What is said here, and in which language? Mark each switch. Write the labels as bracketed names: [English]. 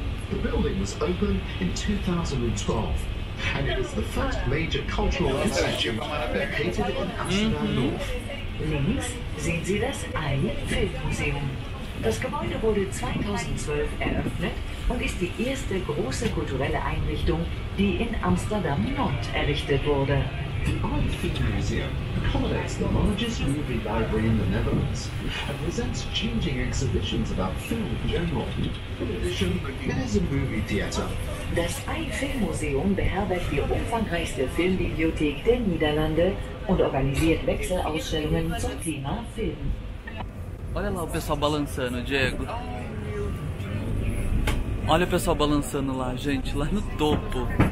[English] The building was opened in 2012, and it is the first major cultural institution located on Amsterdam North. [German] Links sehen Sie das Ei-Feld-Museum. Das Gebäude wurde 2012 eröffnet und ist die erste große kulturelle Einrichtung, die in Amsterdam Nord errichtet wurde. [English] The Art Theatre Museum accommodates the largest movie library in the Netherlands and presents changing exhibitions about film in general. In addition, it is a movie theatre. [German] Das Eifel-Museum beherbergt die umfangreichste Filmbibliothek der Niederlande und organisiert Wechselausstellungen zum Thema Film. [Portuguese] Olha lá o pessoal balançando, Diego. Olha o pessoal balançando lá, gente, lá no topo.